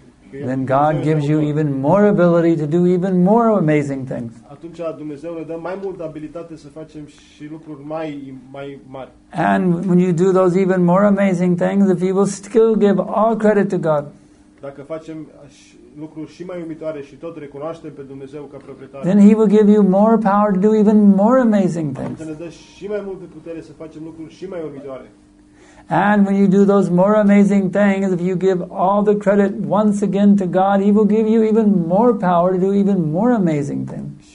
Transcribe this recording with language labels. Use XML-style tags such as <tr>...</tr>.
<en>Then God gives you even more ability to do even more amazing things.</en> <ro>Atunci Dumnezeu ne dă mai multă abilitate să facem și lucruri mai mari.</ro> <en>And when you do those even more amazing things, if you will still give all credit to God.</en> <ro>Dacă facem lucruri și mai uimitoare și tot recunoaștem pe Dumnezeu ca proprietar.</ro> <en>Then he will give you more power to do even more amazing things.</en> <ro>Ne dă și mai multă putere să facem lucruri și mai uimitoare.</ro> <en>And when you do those more amazing things, if you give all the credit once again to God, he will give you even more power to do even more amazing things.</en>